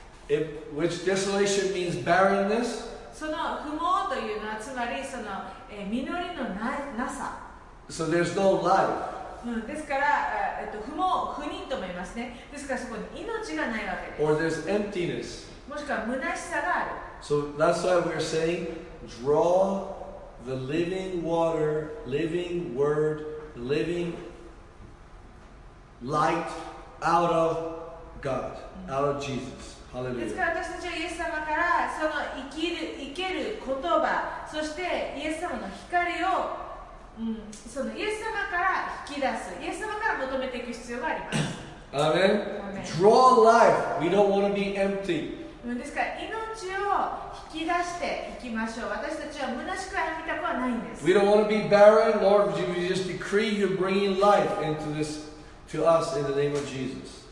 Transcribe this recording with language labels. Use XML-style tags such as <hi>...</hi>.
<en>It, which desolation means barrenness.</en> <ja>その不毛というのはつまりその実りのなさ。</ja> <en>So there's no life.</en> <ja>うん、ですから、不毛、不妊とも言いますね。ですからそこに命がないわけです。</ja> <en>Or there's emptiness.</en> <ja>もしくは虚しさがある。</ja> <en>So that's why we're saying, draw the living water, living word, living light out of God,、うん、out of Jesus. Hallelujah.</en> <ja>ですから私たちはイエス様からその生ける言葉、そしてイエス様の光をうん、そのイエス様から引き出す、イエス様から求めていく必要があります。</ja> <en>アメン。Draw life. We don't want to be empty.</en> <ja>ですから命を引き出していきましょう。私たちは虚しくは生きたくはないんです。</ja> <en>We don't want to be barren, Lord. We just decree you bringing life into this to us in the name of Jesus.</en>